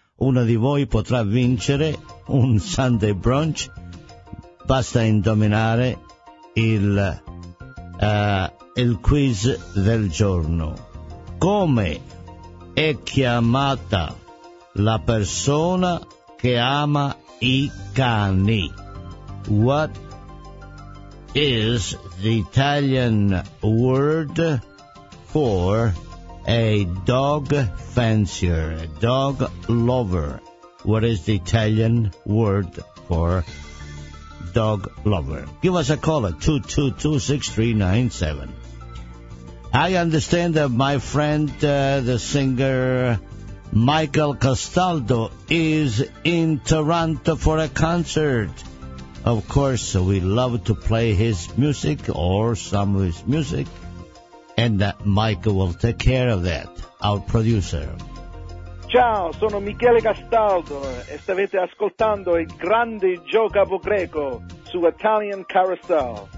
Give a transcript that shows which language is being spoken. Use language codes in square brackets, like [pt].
[it] Uno di voi potrà vincere un Sunday brunch, basta indovinare il quiz del giorno. Come è chiamata la persona che ama i cani? [en] What is the Italian word for a dog fancier, a dog lover? What is the Italian word for dog lover. Give us a call at 222-6397. I understand that my friend, the singer Michael Castaldo, is in Toronto for a concert. Of course, we love to play his music or some of his music. And Michael will take care of that, our producer. [it] Ciao, sono Michele Castaldo e stavete ascoltando il grande Gio Capogreco su Italian Carousel.